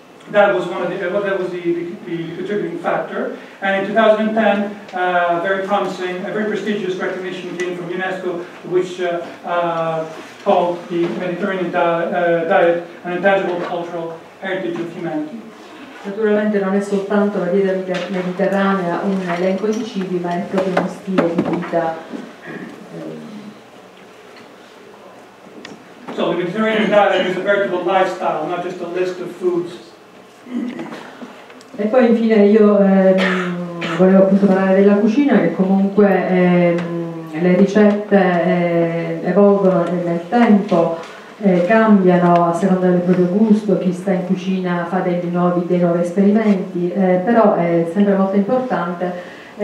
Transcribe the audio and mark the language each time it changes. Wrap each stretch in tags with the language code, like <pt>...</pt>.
<en>That was one of the that was the contributing factor. And in 2010, very promising, a very prestigious recognition came from UNESCO, which called the Mediterranean diet an intangible cultural heritage of humanity.</en> <it>Naturalmente non è soltanto la dieta mediterranea un elenco di cibi, ma è proprio uno stile di vita.</it> <en>So the Mediterranean diet is a veritable lifestyle, not just a list of foods.</en> <it>E poi infine io volevo appunto parlare della cucina, che comunque le ricette evolvono nel tempo, cambiano a seconda del proprio gusto, chi sta in cucina fa dei nuovi esperimenti, però è sempre molto importante</it>